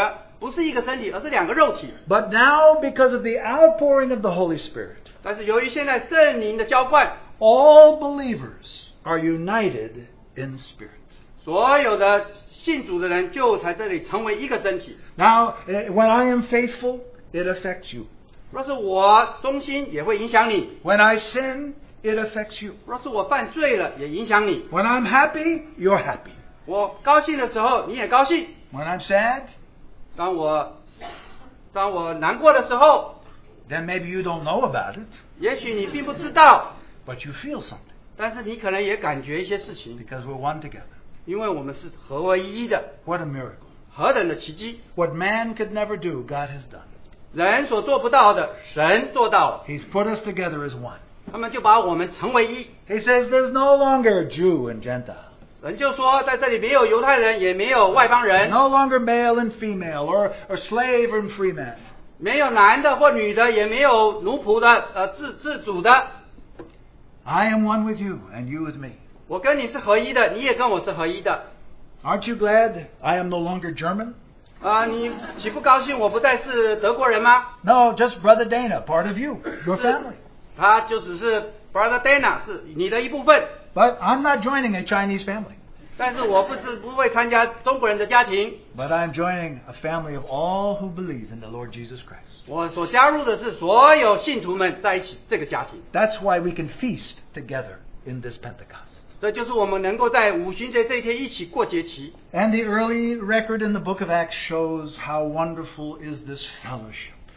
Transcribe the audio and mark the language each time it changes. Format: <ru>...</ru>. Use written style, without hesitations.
<zh>但是如果除非你是信徒，那两个人夫妻在一起不是两个，不是一个身体，而是两个肉体。</zh> <en>But now, because of the outpouring of the Holy Spirit,</en> <zh>但是由于现在圣灵的浇灌,</zh> <en>all believers are united in spirit.</en> <zh>所有的信主的人就在这里成为一个身体。</zh> <en>Now, when I am faithful, it affects you.</en> <zh>若是我忠心也会影响你。</zh> <en>When I sin, it affects you.</en> <zh>若是我犯罪了也影响你。</zh> <en>When I'm happy, you're happy.</en> <zh>我高兴的时候你也高兴。</zh> <en>When I'm sad,</en> <zh>当我难过的时候,</zh> <en>then maybe you don't know about it.</en> <zh>也许你并不知道,</zh> <en>but you feel something.</en> <zh>但是你可能也感觉一些事情。</zh> <en>Because we're one together.</en> <zh>因为我们是合为一的。</zh> <en>What a miracle.</en> <zh>何等的奇迹。</zh> <en>What man could never do, God has done.</en> <zh>人所做不到的,</zh> <en>He's put us together as one. He says there's no longer Jew and Gentile. No longer male and female, or slave and free man.</en> <zh>没有男的或女的，也没有奴仆的，自主的。</zh> <en>I am one with you, and you with me.</en> <zh>我跟你是合一的, 你也跟我是合一的。</zh> <en>Aren't you glad I am no longer German?</en> <zh>你岂不高兴我不再是德国人吗?</zh> <en>No, just Brother Dana, part of you, your family.</en> <zh>他就只是 Brother Dana, 是你的一部分。</zh> <en>But I'm not joining a Chinese family.</en> <zh>但是我不会参加中国人的家庭。</zh> <en>But I'm joining a family of all who believe in the Lord Jesus Christ.</en> <zh>我所加入的是所有信徒们在一起这个家庭。</zh> <en>That's why we can feast together in this Pentecost.</en> <zh>这就是我们能够在五旬节这一天一起过节期。</zh> <en>And the early record in the book of Acts shows how wonderful is this fellowship.</en>